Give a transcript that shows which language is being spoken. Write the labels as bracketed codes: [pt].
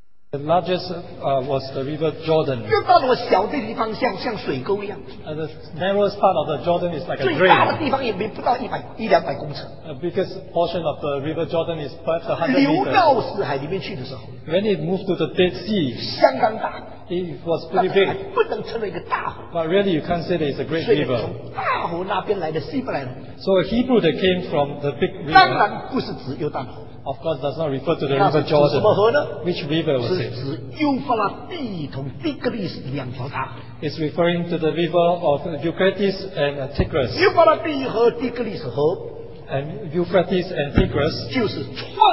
[en] The largest was the River Jordan. [zh] 越到了小的地方像水沟一样。 [en] The narrowest part of the Jordan is like a drain. [zh] 最大的地方也没不到一百公尺。 [en] Biggest portion of the River Jordan is perhaps 100 meters. [zh] 流到死海里面去的时候, [en] when it moved to the Dead Sea, [zh] 相当大, [en] it was pretty big. [zh] 但还不能称为一个大河。 [en] But really you can't say that it's a great river. [zh] 所以从大河那边来的希伯来人, [en] so a Hebrew that came from the big river, [zh] 当然不是指犹大河。 [en] Of course, does not refer to the River Jordan. [zh] 什么河呢? [en] Which river was it? [zh] 是指幼发拉底同底格里斯两条大河。 [en] It's referring to the river of Euphrates and Tigris. [zh] 幼发拉底和底格里斯河, [en] and Euphrates and Tigris,